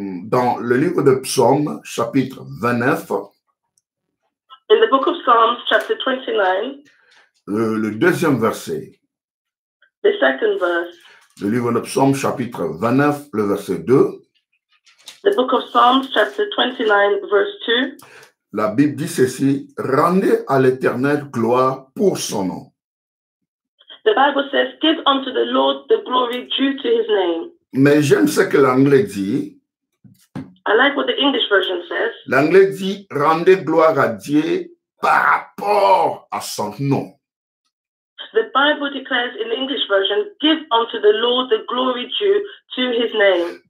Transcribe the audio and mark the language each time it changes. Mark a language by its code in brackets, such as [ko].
[fr] Dans le livre de Psaumes, chapitre 29. [en] In the book of Psalms, chapter 29. [fr] Le deuxième verset. [en] The second verse. [fr] Le livre de Psaumes, chapitre 29, le verset 2. [en] The book of Psalms, chapter 29, verse 2. [fr] La Bible dit ceci, rendez à l'Éternel gloire pour son nom. [en] The Bible says, give unto the Lord the glory due to his name. [fr] Mais j'aime ce que l'anglais dit. [en] I like what the English version says. [fr] L'anglais dit, rendez gloire à Dieu par rapport à son nom. [en] The Bible declares in the English version, give unto the Lord the glory due to his name.